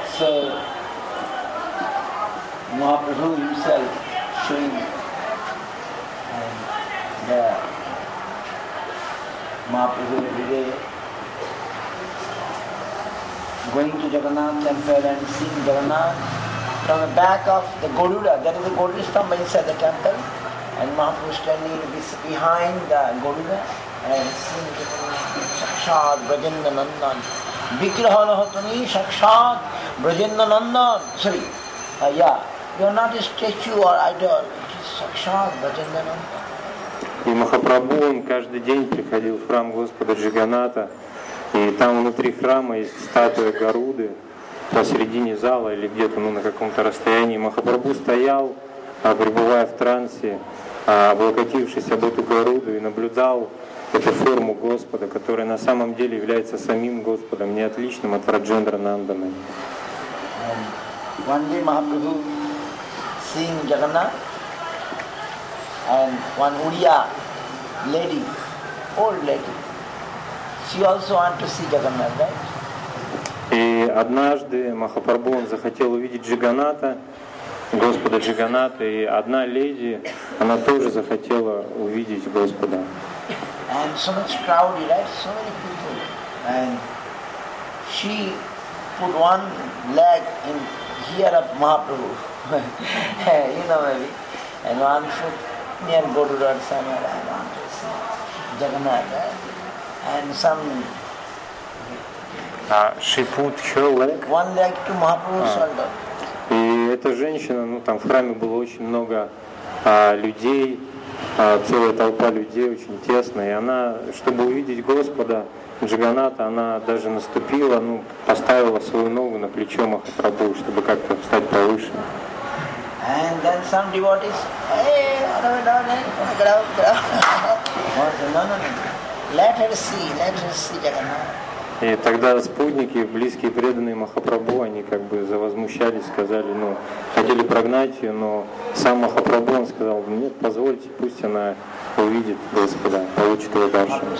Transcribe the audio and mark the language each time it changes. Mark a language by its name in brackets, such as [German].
[English] So Mahaprabhu himself showing Mahaprabhu every day going to Jagannath temple and seeing Jagannath from the back of the Garuda, that is the Garuda stamp inside the temple, and Mahaprabhu standing behind the Garuda and seeing Shakshad, Brajinda Nandan. Vikrahanahatani Shakshad Brajinda Nandan. Sorry. You are not a statue or idol. It is Shakshad Brajinda Nandan. [Russian] И Махапрабху, он каждый день приходил в храм Господа Джиганата, и там внутри храма есть статуя Гаруды посередине зала или где-то, ну, на каком-то расстоянии. Махапрабху стоял, пребывая в трансе, облокотившись об эту Гаруду, и наблюдал эту форму Господа, которая на самом деле является самим Господом, не отличным от Раджендра Нанданы. [English] One day Mahaprabhu seeing Jagannath and one Uriya lady, old lady, she also want to see Jagannath, right? [Russian] И однажды Махапрабху захотел увидеть Джиганата, Господа Джиганата, и одна леди, она тоже захотела увидеть Господа. [English] And so much crowd, right? So many people. And she put one leg in here of Mahaprabhu, you know, maybe. And one foot near Garuda or somewhere, and one foot Jagannath. And some... She put her leg? One leg to Mahaprabhu's shoulder. [Russian] И эта женщина, ну там в храме было очень много людей, целая толпа людей, очень тесно, и она, чтобы увидеть Господа Джиганата, она даже наступила, ну, поставила свою ногу на плечо Махапрабху, чтобы как-то встать повыше. [English] And then some devotees, let her see Jagannath. [Russian] И тогда спутники, близкие преданные Махапрабху, они как бы завозмущались, сказали, ну, хотели прогнать ее, но сам Махапрабху, он сказал, нет, позвольте, пусть она увидит Господа, получит его дальше.